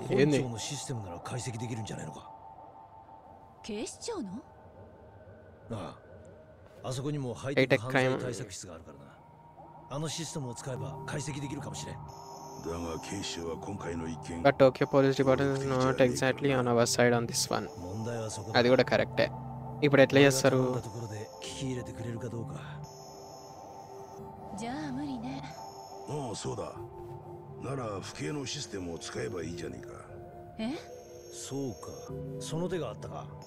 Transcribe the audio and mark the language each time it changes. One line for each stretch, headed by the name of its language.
Japanese: 本庁のシステムなら解析できるんじゃないのか。警視庁の？ああ、あそこにもハイテク犯罪対策室があるからな。あのシステムを使えば解析できるかもしれん。だが警視庁は今回の一件、
English: But Tokyo Police Department is not exactly on our side on this one。
Japanese: 問題はそこだ。あ、でこれ
English: correct。
Japanese: いくらやったやつだろう。どんなところで聞き入れてくれるかどうか。じゃあ無理ね。ああ、そうだ。なら府警のシステムを使えばいいじゃねえか。え？そうか。その手があったか。